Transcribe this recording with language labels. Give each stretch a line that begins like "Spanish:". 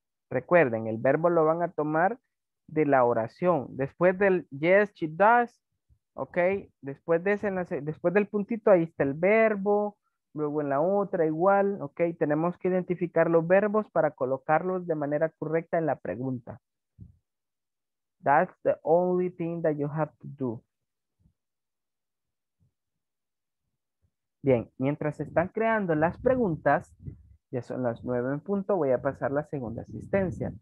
Spanish: Recuerden, el verbo lo van a tomar de la oración. Después del
English: yes, she does, okay?
Spanish: Después de ese, después del puntito, ahí está el verbo. Luego en la otra, igual, okay? Tenemos que identificar los verbos para colocarlos de manera correcta en la pregunta.
English: That's the only thing that you have to do.
Spanish: Bien, mientras están creando las preguntas, ya son las 9 en punto, voy a pasar la segunda asistencia.